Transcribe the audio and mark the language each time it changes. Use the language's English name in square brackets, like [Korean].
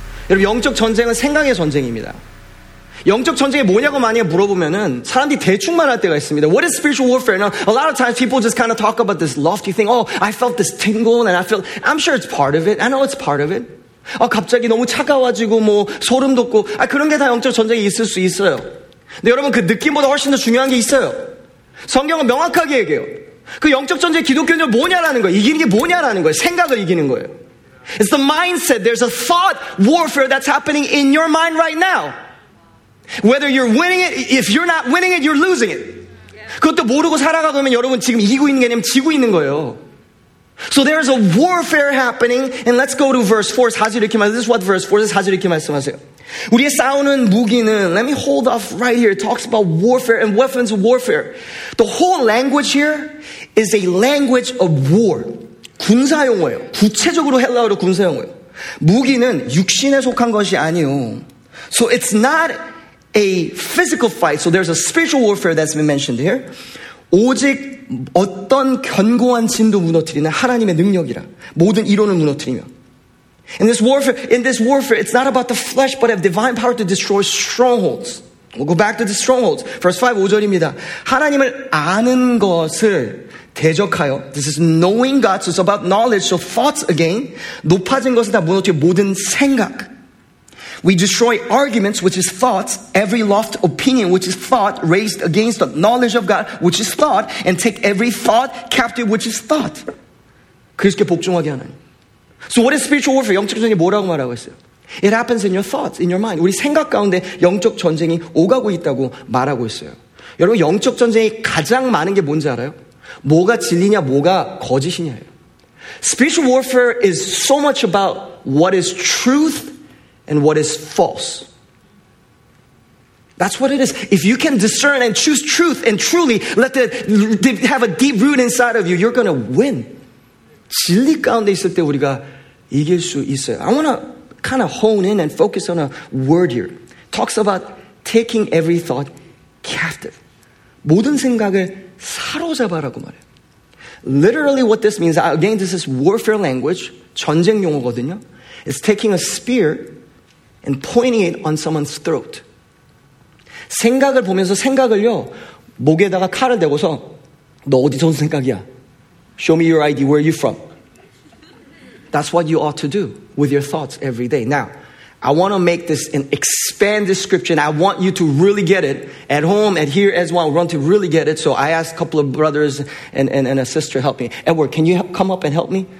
[Korean] 여러분, 영적 전쟁은 생각의 전쟁입니다. 영적 전쟁이 뭐냐고 만약에 물어보면은 사람들이 대충 말할 때가 있습니다. [English] What is spiritual warfare? Now, a lot of times people just kind of talk about this lofty thing. Oh, I felt this tingle and I felt, I'm sure it's part of it. I know it's part of it. [Korean] 아, 갑자기 너무 차가워지고 뭐 소름 돋고, 아, 그런 게 다 영적 전쟁이 있을 수 있어요. 근데 여러분, 그 느낌보다 훨씬 더 중요한 게 있어요. 성경은 명확하게 얘기해요. 그 영적 전쟁 기독교는 뭐냐라는 거예요. 이기는 게 뭐냐라는 거예요. 생각을 이기는 거예요. [English] It's the mindset. There's a thought warfare that's happening in your mind right now. Whether you're winning it, if you're not winning it, you're losing it. [Korean] 그것도 모르고 살아가 보면 여러분 지금 이기고 있는 게 아니면 지고 있는 거예요. [English] So there's a warfare happening, and let's go to verse 4. [Korean] 사실 이렇게 말, [English] this is what verse 4 is. [Korean] 사실 이렇게 말씀하세요. 우리의 싸우는 무기는, [English] let me hold off right here. It talks about warfare and weapons of warfare. The whole language here is a language of war. [Korean] 군사용어예요. 구체적으로 헬라어로 군사용어예요. 무기는 육신에 속한 것이 아니요. [English] So it's not a physical fight. So there's a spiritual warfare that's been mentioned here. [Korean] 오직 어떤 견고한 진도 무너뜨리는 하나님의 능력이라 모든 이론을 무너뜨리며. [English] In this warfare, it's not about the flesh, but have divine power to destroy strongholds. We'll go back to the strongholds. Verse 5, [Korean] 5절입니다. 하나님을 아는 것을 대적하여. [English] This is knowing God, so it's about knowledge. So thoughts again. [Korean] 높아진 것을 다 무너뜨려 모든 생각. [English] We destroy arguments, which is thoughts, every loft opinion, which is thought, raised against the knowledge of God, which is thought, and take every thought captive, which is thought. [Korean] 그리스도께 복종하게 하나님. [English] So what is spiritual warfare? [Korean] 영적 전쟁이 뭐라고 말하고 있어요? [English] It happens in your thoughts, in your mind. [Korean] 우리 생각 가운데 영적 전쟁이 오가고 있다고 말하고 있어요. 여러분, 영적 전쟁이 가장 많은 게 뭔지 알아요? 뭐가 진리냐, 뭐가 거짓이냐예요. [English] Spiritual warfare is so much about what is truth and what is false. That's what it is. If you can discern and choose truth and truly let it have a deep root inside of you, you're going to win. [Korean] 진리 가운데 있을 때 우리가 이길 수 있어요. [English] I want to kind of hone in and focus on a word here. Talks about taking every thought captive. [Korean] 모든 생각을 사로잡아라고 말해요. [English] Literally what this means, again, this is warfare language, [Korean] 전쟁 용어거든요. [English] It's taking a spear and pointing it on someone's throat. [Korean] 생각을 보면서 생각을요, 목에다가 칼을 대고서, 너 어디서 온 생각이야? [English] Show me your ID, where are you from? That's what you ought to do with your thoughts every day. Now, I want to make this an expanded description. I want you to really get it at home and here as well. We want to really get it. So I asked a couple of brothers and a sister to help me. Edward, can you come up and help me?